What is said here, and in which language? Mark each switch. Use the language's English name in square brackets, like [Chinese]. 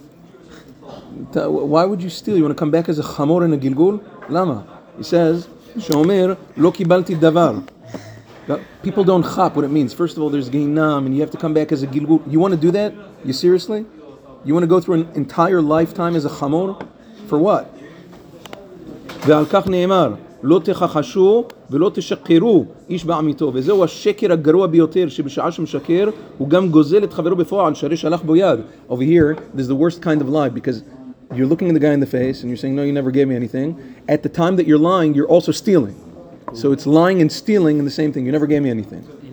[English] Why would you steal? You want to come back as a chamor and a gilgul? Lama? He says, [Hebrew] Shomer, lo kibalti davar. [English] People don't chop what it means. First of all, there's geinam, and you have to come back as a gilgul. You want to do that? You seriously? You want to go through an entire lifetime as a chamor? For what? [Hebrew] Ve'al kach ne'emar. לא תחחשו ולא תשקרו איש בעמיתו. וזהו השקר הגרוע ביותר שבשעה שמשקר הוא גם גוזל את חברו בפועל שהרי שלח בו יד. [English] Over here, this is the worst kind of lie because you're looking at the guy in the face and you're saying, no, you never gave me anything. At the time that you're lying, you're also stealing. So it's lying and stealing and the same thing. You never gave me anything.